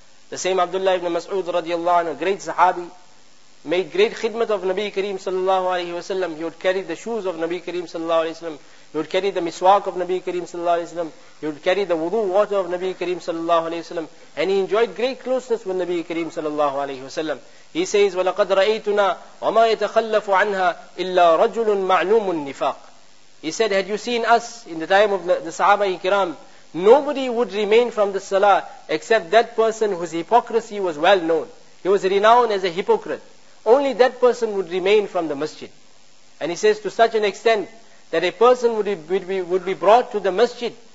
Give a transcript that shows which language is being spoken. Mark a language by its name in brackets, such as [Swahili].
[English] The same Abdullah ibn Mas'ud radiallahu anhu, a great sahabi, made great khidmat of Nabi Kareem sallallahu alayhi wa sallam. He would carry the shoes of Nabi Kareem sallallahu alayhi wa sallam. He would carry the miswak of Nabi Kareem sallallahu alayhi wa sallam. He would carry the wudu water of Nabi Kareem sallallahu alayhi wa sallam. And he enjoyed great closeness with Nabi Kareem sallallahu alayhi wa sallam. [Arabic] He says, وَلَقَدْ رَأَيْتُنَا وَمَا يَتَخَلَّفُ عَنْهَا إِلَّا رَجُلٌ مَعْلُومٌ نِفَاقٌ. [English] He said, had you seen us in the time of the Sahaba Ikram, nobody would remain from the salah except that person whose hypocrisy was well known. He was renowned as a hypocrite. Only that person would remain from the masjid. And he says, to such an extent that a person would be brought to the masjid.